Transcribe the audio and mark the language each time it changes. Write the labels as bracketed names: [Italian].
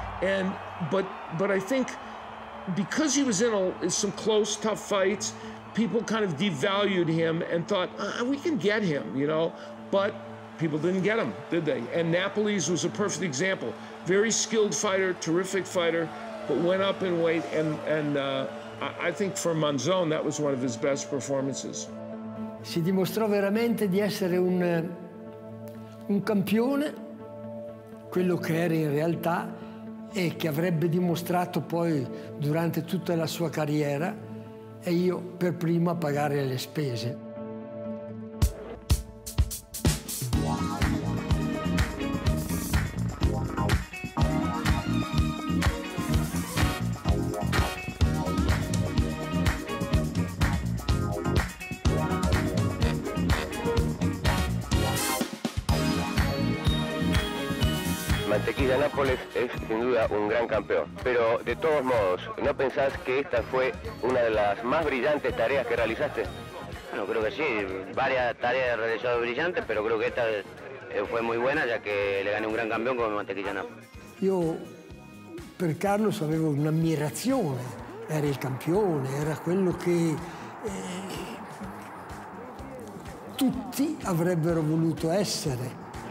[English] And but I think because he was in some close, tough fights, people kind of devalued him and thought, we can get him, you know? But people didn't get him, did they? And Napoli's was a perfect example. Very skilled fighter, terrific fighter, but went up in weight. And I think for Monzón, that was one of his best performances. [Italian] Si dimostrò veramente di essere un campione, quello che era in realtà e che avrebbe dimostrato poi durante tutta la sua carriera, e io per primo a pagare le spese. [Spanish] Mantequilla Nápoles es sin duda un gran campeón, pero de todos modos, ¿no pensás que esta fue una de las más brillantes tareas que realizaste? Bueno, creo que sí, varias tareas realizadas brillantes, pero creo que esta fue muy buena ya que le gané un gran campeón como Mantequilla Nápoles. [Italian] Yo, per Carlos, avevo un'ammirazione, era il campione, era quello che tutti avrebbero voluto essere.